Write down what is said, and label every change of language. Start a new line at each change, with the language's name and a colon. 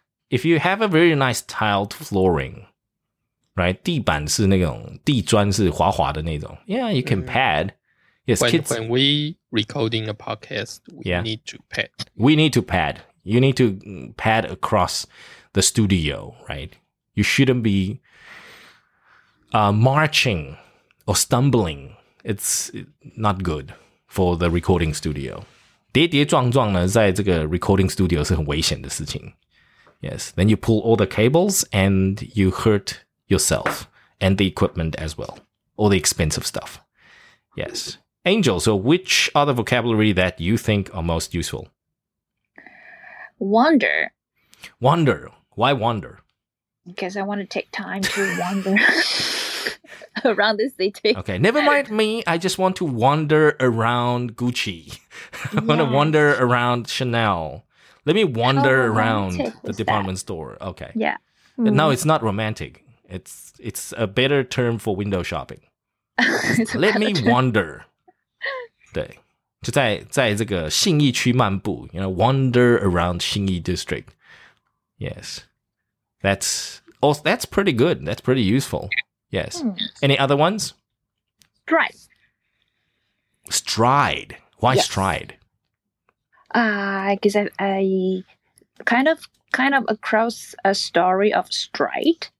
English: If you have a very nice tiled flooring, right?
Chinese: 地板是那种地砖是滑滑的那种 Yeah, you can pad.
English: Yes, kids. When we recording a podcast, need to pad. We need to pad. You need to pad across the studio, right? You shouldn't be marching or stumbling. It's not good for the recording studio.
Chinese: 跌跌撞撞呢，在这个 recording studio 是很危险的事情。
English: Yes, then you pull all the cables and you hurt yourself and the equipment as well. All the expensive stuff. Yes. Angel, so which are the vocabulary that you think are most useful? Wander. Wander. Why wander? Because I want to take time to wander around the city. Okay, never mind me. I just want to wander around Gucci. I want to wander around Chanel. Let me wander around the department store. Okay. Yeah. No, it's not romantic. It's a better term for window shopping. Let me wander.
Chinese: 对，就在这个信义区漫步。
English: You know, wander around 信义 district. Yes, that's pretty good. That's pretty useful. Yes. Any other ones? Stride. Stride. Why stride? Because I kind of across a story of stride.